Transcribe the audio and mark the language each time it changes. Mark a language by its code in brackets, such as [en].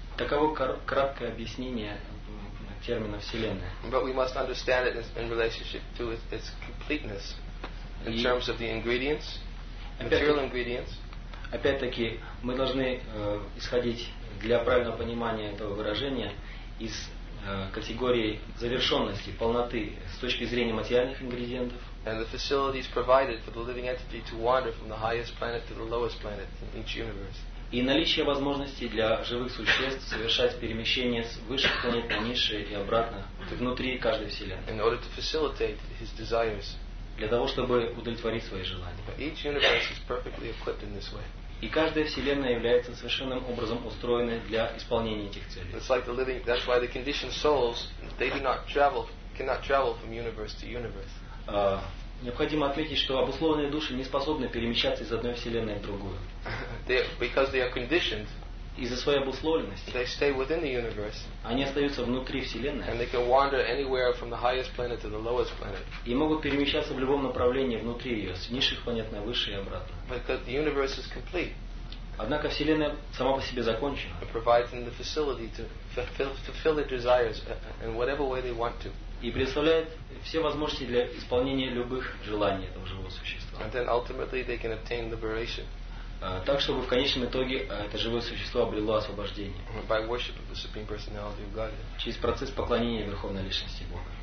[ru] Таково краткое объяснение термина Вселенная. [en] But we must understand it in relationship to its completeness in terms of the ingredients, material ingredients. [ru] Опять-таки, мы должны исходить для правильного понимания этого выражения из категории завершенности, полноты с точки зрения материальных ингредиентов. [en] And the facilities provided for the living entity to wander from the highest planet to the lowest planet in each universe. [ru] И наличие возможностей для живых существ совершать перемещение с высших планет на низшие и обратно внутри каждой вселенной. [en] In order to facilitate his desires. [ru] Для того, чтобы удовлетворить свои желания. [en] Each universe is perfectly equipped in this way. [ru] И каждая вселенная является совершенным образом устроена для исполнения этих целей. [en] It's like the living. That's why the conditioned souls they do not travel, cannot travel from universe to universe. [ru] Необходимо отметить, что обусловленные души не способны перемещаться из одной вселенной в другую. [en] Because they are conditioned. [ru] Из-за своей обусловленности. [en] They stay within the universe. [ru] Они остаются внутри вселенной. [en] And they can wander anywhere from the highest planet to the lowest planet. [ru] И могут перемещаться в любом направлении внутри ее, с низших планет на высшие и обратно. [en] Because the universe is complete. [ru] Однако вселенная сама по себе закончена. [en] It provides them the facility to fulfill their desires in whatever way they want to. [ru] И предоставляет все возможности для исполнения любых желаний этого живого существа. [en] And then ultimately they can obtain liberation. [ru] Так, чтобы в конечном итоге это живое существо обрело освобождение. [en] By worship of the Supreme Personality of God. [ru] Через процесс поклонения Верховной Личности Бога.